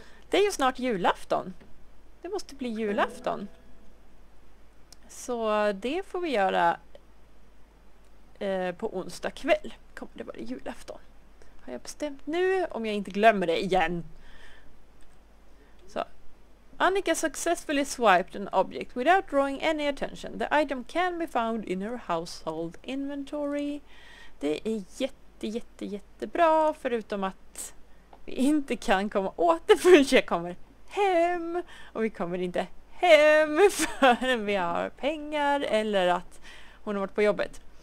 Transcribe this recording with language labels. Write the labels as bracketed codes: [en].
[sv] Det är ju snart julafton. Det måste bli julafton. Så det får vi göra på onsdag kväll. Kommer det vara julafton. Har jag bestämt nu om jag inte glömmer det igen? Så. [en] Annika successfully swiped an object without drawing any attention. The item can be found in her household inventory. [sv] Det är jättebra förutom att vi inte kan komma åt det förrän jag kommer hem. Och vi kommer inte hem förrän vi har pengar eller att hon har varit på jobbet.